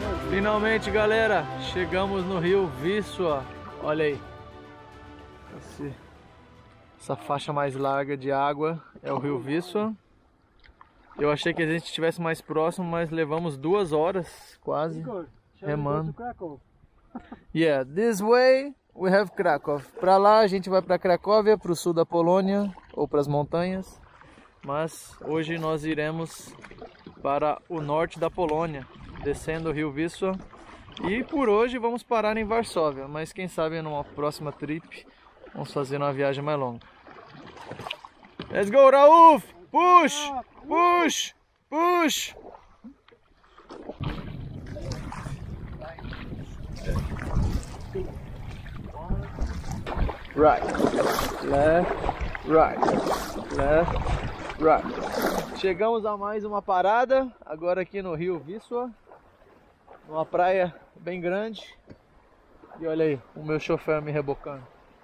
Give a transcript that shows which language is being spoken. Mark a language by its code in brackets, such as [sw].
[pt] Finalmente, galera, chegamos no rio Viçoa. Olha aí. Essa faixa mais larga de água é o rio Viçoa. Eu achei que a gente estivesse mais próximo, mas levamos 2 horas quase remando. [en] Yeah, this way we have Krakow. [pt] Para lá a gente vai para Cracóvia, para o sul da Polônia ou para as montanhas. Mas hoje nós iremos para o norte da Polônia, descendo o rio Viçoa. E por hoje vamos parar em Varsóvia, mas quem sabe numa próxima trip vamos fazer uma viagem mais longa. [en] Let's go, Raul! Push! Push! Push! Right, left, right, left, right. [pt] Chegamos a mais uma parada, agora aqui no rio Viçoa, numa praia bem grande. E olha aí, o meu chofer me rebocando.